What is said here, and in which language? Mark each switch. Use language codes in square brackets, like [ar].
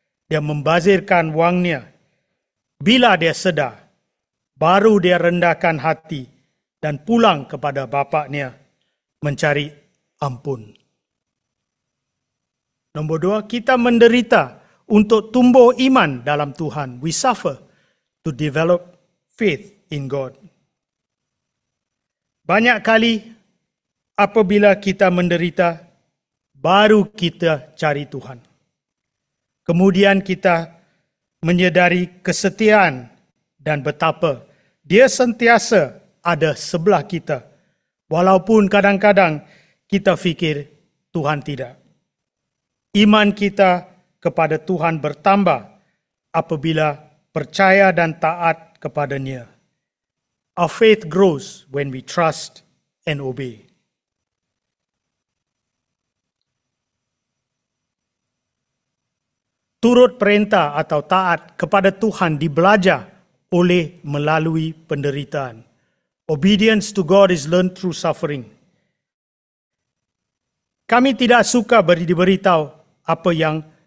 [ms] Dia membazirkan wangnya. Bila dia sedar, baru dia rendahkan hati dan pulang kepada bapaknya mencari ampun. Nombor dua, kita menderita untuk tumbuh iman dalam Tuhan. [en] We suffer to develop faith in God. [ms] Banyak kali apabila kita menderita, baru kita cari Tuhan. Kemudian kita menyedari kesetiaan dan betapa Dia sentiasa ada sebelah kita. Walaupun kadang-kadang kita fikir Tuhan tidak. Iman kita kepada Tuhan bertambah apabila percaya dan taat kepada-Nya. [en] Our faith grows when we trust and obey. [ms] Turut perintah atau taat kepada Tuhan dibelajar oleh melalui penderitaan. [en] Obedience to God is learned through suffering. [ms] Kami tidak suka diberitahu apa yang